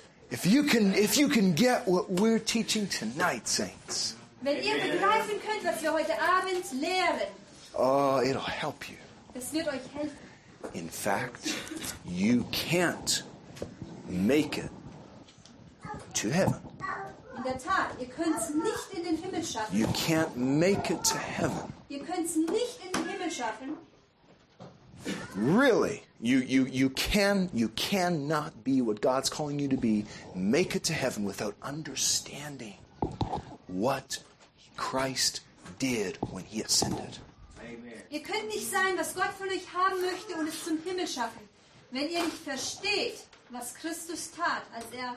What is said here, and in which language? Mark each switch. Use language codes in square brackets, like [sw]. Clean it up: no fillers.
[en] If you can get what we're teaching tonight, saints. [de] Wenn ihr begreifen könnt, was wir heute Abend lehren. [en] Oh, it'll help you. [de] Das wird euch helfen. [en] In fact, you can't make it to heaven. [de] In der Tat, ihr könnt's nicht in den Himmel schaffen. [en] You can't make it to heaven. [de] Ihr könnt's nicht in den Himmel schaffen. [en] Really? You cannot be what God's calling you to be, make it to heaven without understanding what Christ did when he ascended. Amen. [de] Ihr könnt nicht sein, was Gott von euch haben möchte und es zum Himmel schaffen, wenn ihr nicht versteht, was Christus tat, als er